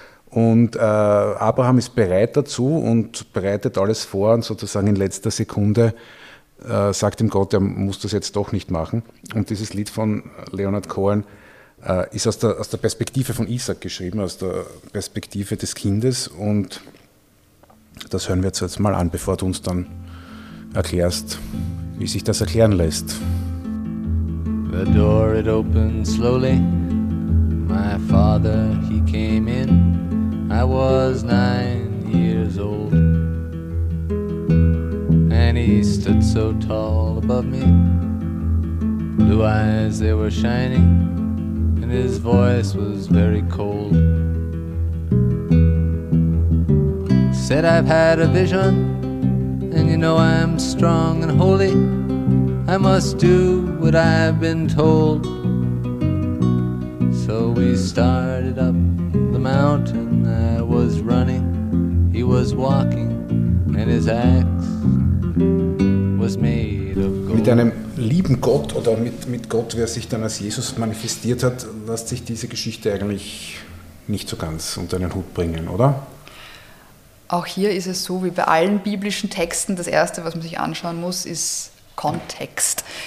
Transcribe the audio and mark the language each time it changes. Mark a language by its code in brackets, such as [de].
[de] Und Abraham ist bereit dazu und bereitet alles vor, und sozusagen in letzter Sekunde sagt ihm Gott, er muss das jetzt doch nicht machen. Und dieses Lied von Leonard Cohen ist aus der Perspektive von Isaac geschrieben, aus der Perspektive des Kindes. Und Das hören wir uns jetzt mal an, bevor du uns dann erklärst, wie sich das erklären lässt. [en] The door it opened slowly. My father, he came in. I was 9 years old. And he stood so tall above me. Blue eyes, they were shining. And his voice was very cold. Said I've had a vision, and you know I'm strong and holy. I must do what I've been told. So we started up the mountain. I was running, he was walking, and his axe was made of gold. [de] Mit einem lieben Gott oder mit Gott, wer sich dann als Jesus manifestiert hat, lässt sich diese Geschichte eigentlich nicht so ganz unter einen Hut bringen, oder? Auch hier ist es so, wie bei allen biblischen Texten, das Erste, was man sich anschauen muss, ist Kontext.